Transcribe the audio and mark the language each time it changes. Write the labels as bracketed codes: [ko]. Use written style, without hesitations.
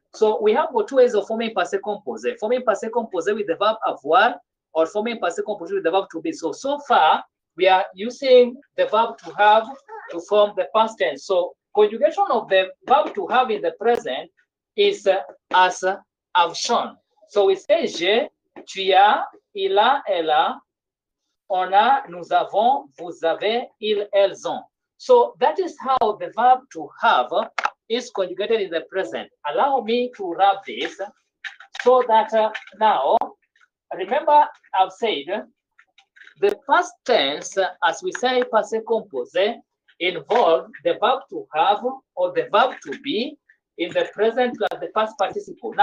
[en] So we have two ways of forming passé composé. Forming passé composé with the verb avoir, or forming passé composé with the verb to be. So far, we are using the verb to have to form the past tense. So conjugation of the verb to have in the present is as I've shown. So we say, [fr] je, tu as, il a, elle a, on a, nous avons, vous avez, ils, elles ont. [en] So that is how the verb to have is conjugated in the present. Allow me to wrap this so that now, remember I've said, the past tense, as we say, passé composé, involve the verb to have or the verb to be in the present plus the past participle.